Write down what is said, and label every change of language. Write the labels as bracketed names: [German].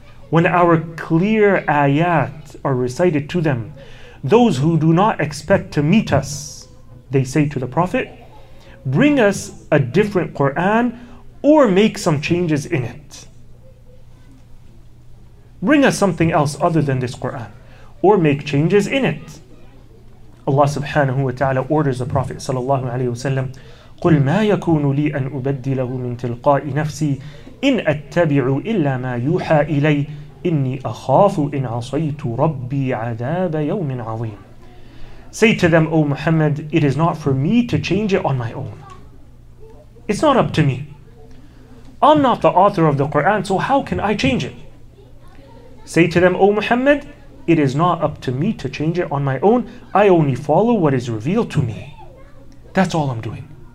[English] When our clear ayat are recited to them, those who do not expect to meet us, they say to the Prophet, bring us a different Qur'an or make some changes in it. Bring us something else other than this Quran, or make changes in it. Allah subhanahu wa ta'ala orders the Prophet sallallahu alayhi wa sallam, [Arabic] قُلْ مَا يَكُونُ لِي أَنْ أُبَدِّلَهُ مِنْ تِلْقَاءِ نَفْسِي إِنْ أَتَّبِعُ إِلَّا مَا يُوحَى إِلَيْ إِنِّي أَخَافُ إِنْ عَصَيْتُ رَبِّي عَذَابَ يَوْمٍ عَظِيمٍ. [English] Say to them, O Muhammad, it is not for me to change it on my own. It's not up to me. I'm not the author of the Quran, so how can I change it? Say to them, O Muhammad, it is not up to me to change it on my own. I only follow what is revealed to me. That's all I'm doing.